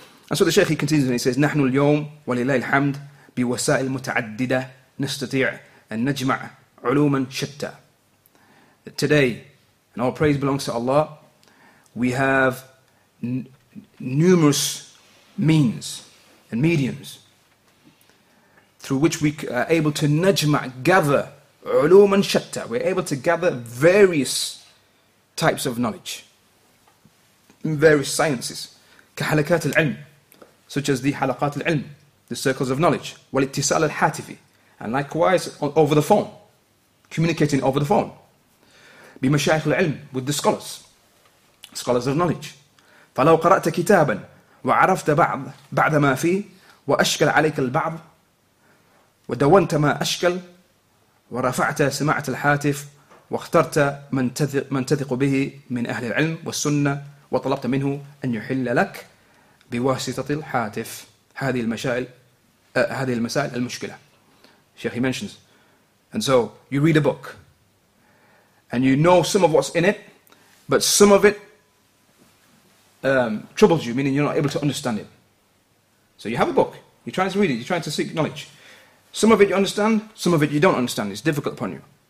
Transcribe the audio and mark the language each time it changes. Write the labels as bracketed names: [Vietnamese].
[English] And so the Sheikh he continues and he says, [Arabic] نحن اليوم ولله الحمد بوسائل متعددة نستطيع أن نجمع علوما شتى. [English] Today, and all praise belongs to Allah, we have numerous means and mediums through which we are able to najma, gather, ulum and shatta. We're able to gather various types of knowledge in various sciences. [Arabic] كحلقات العلم, [English] such as the [Arabic] حلقات العلم, [English] the circles of knowledge. [Arabic] والاتصال الحاتفي, [English] and likewise over the phone, communicating over the phone. [Arabic] بمشايخ العلم, [English] with the scholars of knowledge. [Arabic] فلو قرأت كتابا وعرفت بعض ما فيه وأشكل عليك البعض ودونت ما أشكل ورفعت سماعة الحاتف واخترت من تثق به من أهل العلم والسنة وطلبت منه أن يحل لك بواسطة الهاتف هذه المسائل المشكلة. [English] Sheikh, he mentions, and so you read a book and you know some of what's in it, but some of it troubles you, meaning you're not able to understand it. So you have a book, you're trying to read it, you're trying to seek knowledge. Some of it you understand, some of it you don't understand, it's difficult upon you.